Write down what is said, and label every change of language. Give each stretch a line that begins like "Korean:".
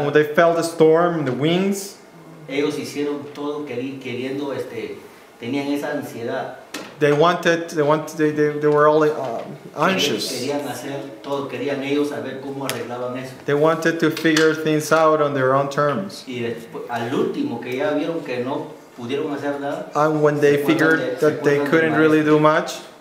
English: When they felt the storm and the winds,
Spanish: ellos hicieron todo queriendo este. Tenían esa ansiedad.
English: They were all anxious.
Spanish: Querían ellos saber cómo arreglaban eso.
English: They wanted to figure things out on their own terms.
Spanish: Y después, al último que ya vieron que no pudieron hacer nada.
English: And when they figured that they couldn't really do much,